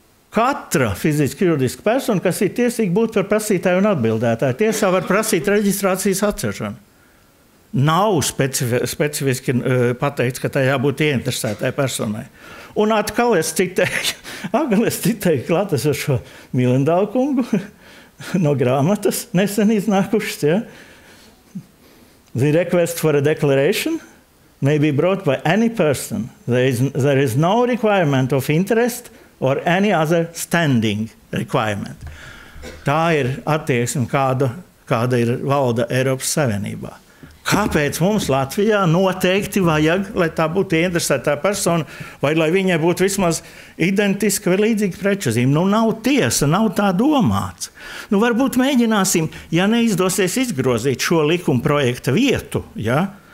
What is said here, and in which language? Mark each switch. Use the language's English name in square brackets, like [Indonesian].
[Latvian] Katra fiziski juridiska persona, kas ir tiesīga būt par prasītāju un atbildētāju, tiesā var prasīt reģistrācijas atcelšanu. Nav specifiski pateikts, ka tā jābūt ieinteresētai personai. Un atkal es citēju klātesošo Milindaukungu no grāmatas, nesen iznākušas. Ja? [English] The request for a declaration may be brought by any person. There is no requirement of interest or any other standing requirement. [Latvian] Tā ir attieksme, kāda ir valda Eiropas Savienībā. Kāpēc mums Latvijā noteikti vajag, lai tā būtu interesētā persona, vai lai viņai būtu vismaz identiska vai līdzīga prečazīme? Nu, nav tiesa, nav tā domāts. Nu, varbūt mēģināsim, ja neizdosies izgrozīt šo likuma projekta vietu, ja?